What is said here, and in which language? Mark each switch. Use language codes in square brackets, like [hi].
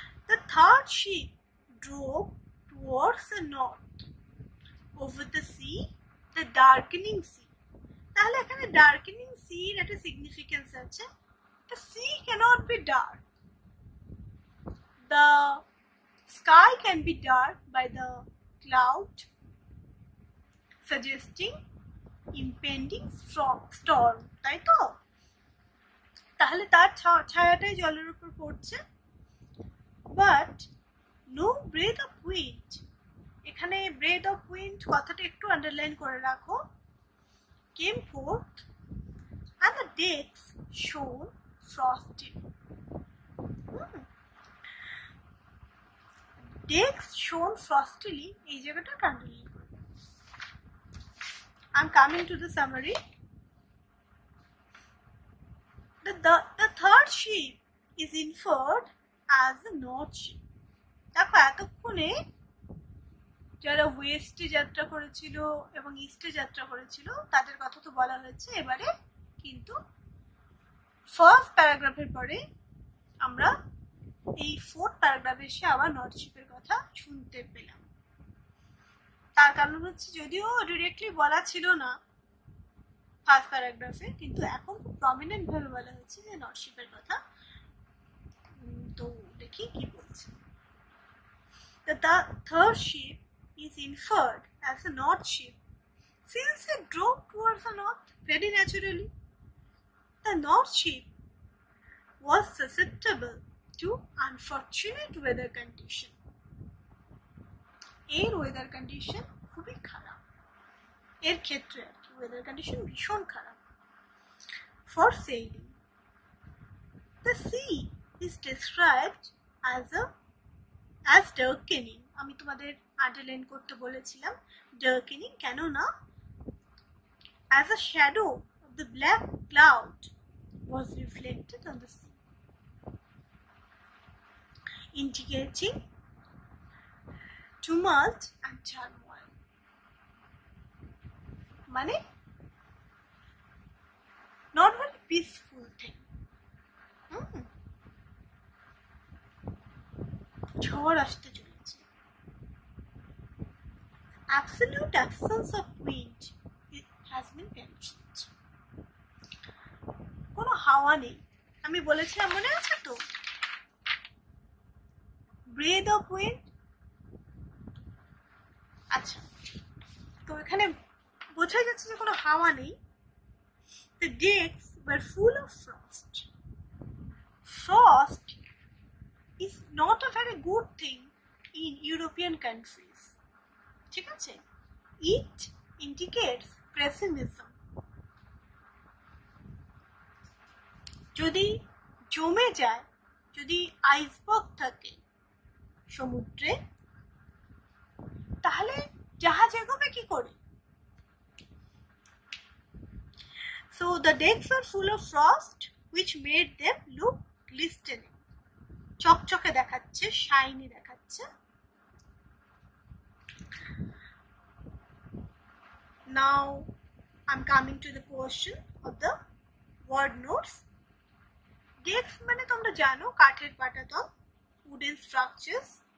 [en] The third ship drove towards the north, over the sea, the darkening sea. তাহলে এখানে darkening sea এর একটা significance আছে, the sea can't be dark, the sky can be dark by the cloud suggesting impending storm, [bn] তাই তো? তাহলে তার ছায়াটাই জলের উপর পড়ছে, [en] But no breath of wind, এখানে breath of wind কথাটা একটু আন্ডারলাইন করে রাখো, came forth and the decks shone frosty. Decks shone frostily. [bn] এই জায়গাটা কান্ডলি. [en] I'm coming to the summary. The third ship is inferred as the north ship. [bn] দেখো এতক্ষণে যারা ওয়েস্টে যাত্রা করেছিল এবং ইস্টে যাত্রা করেছিল তাদের কথা তো বলা হয়েছে, এবারে কিন্তু ফার্স্ট প্যারাগ্রাফের পরে আমরা এই ফোর্থ প্যারাগ্রাফে এসে আবার নর্থ শিপের কথা শুনতে পেলাম। তার কারণ হচ্ছে যদিও ডিরেক্টলি বলা ছিল না ফার্স্ট প্যারাগ্রাফে, কিন্তু এখন খুব প্রমিনেন্ট ভাবে বলা হয়েছে যে নর্থ শিপের কথা, তো দেখি কি বলছে। Third ship [en] is inferred as a north ship since it drove towards the north very naturally. The north ship was susceptible to unfortunate weather condition. [bn] এর weather condition খুবই খারাপ, এর ক্ষেত্রে weather condition ভীষণ খারাপ. [en] For sailing, the sea is described as darkening. আমি তোমাদের underline করতে বলেছিলাম ডার্কেনিং, কেননা as a shadow of the black cloud was reflected on the sea indicating tumult and turmoil, মানে not very peaceful thing, [bn] ঝড় আসতে চলে। [en] Absolute absence of wind it has been mentioned. [bn] কোনো হাওয়া নেই আমি বলেছিলাম, মনে আছে তো? [en] Breath of wind. [bn] আচ্ছা তো এখানে বোঝা যাচ্ছে যে কোনো হাওয়া নেই। [en] The decks were full of frost. Frost is not a very good thing in European countries. [bn] ঠিক আছে, [en] it indicates pessimism. [bn] যদি জমে যায়, যদি আইসবার্গ থাকে সমুদ্রে, তাহলে জাহাজ এগোবে কি করে? [en] So the decks were full of frost which made them look glistening. [bn] চকচকে দেখাচ্ছে, শাইনি দেখাচ্ছে। [en] Now I'm coming to the question of the word notes. [bn] Decks মানে তোমরা জানো কাঠের পাটাতন, [en] wooden structures.